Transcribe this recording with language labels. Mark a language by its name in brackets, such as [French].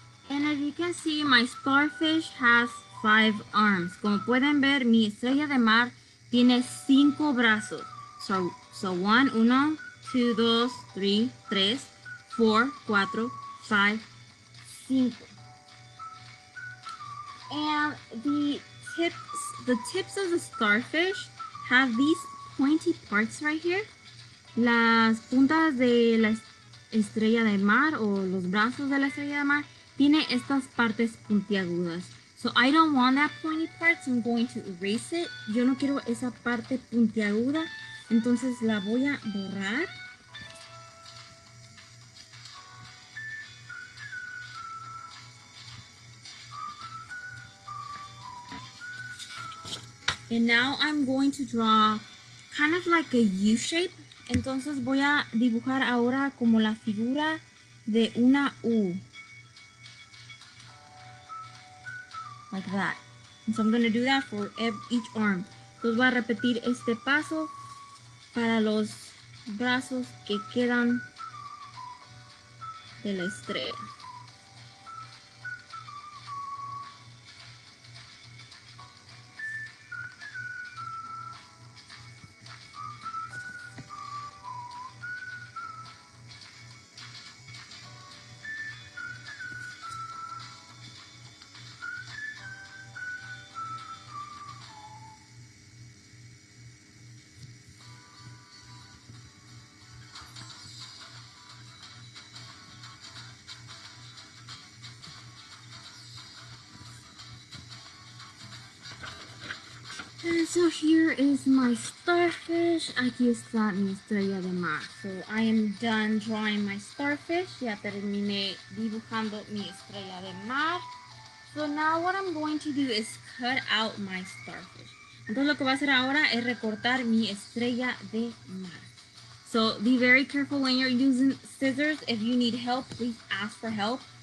[English] And as you can see, my starfish has 5 arms. [Spanish] Como pueden ver, mi estrella de mar tiene 5 brazos. [English] So 1, 2, 3, 4, 5, 5. And the tips of the starfish have these pointy parts right here. [Spanish] Las puntas de la estrella de mar o los brazos de la estrella de mar tiene estas partes puntiagudas. [English] So I don't want that pointy part, so I'm going to erase it. [Spanish] Yo no quiero esa parte puntiaguda, entonces la voy a borrar. [English] And now I'm going to draw kind of like a U shape. [Spanish] Entonces voy a dibujar ahora como la figura de una U. [English] Like that. And so I'm going to do that for each arm. [Spanish] Entonces voy a repetir este paso para los brazos que quedan de la estrella. [English] And so here is my starfish. [Spanish] Aquí está mi estrella de mar. [English] So I am done drawing my starfish. [Spanish] Ya terminé dibujando mi estrella de mar. [English] So now what I'm going to do is cut out my starfish. [Spanish] Entonces lo que voy a hacer ahora es recortar mi estrella de mar. [English] So be very careful when you're using scissors. If you need help, please ask for help.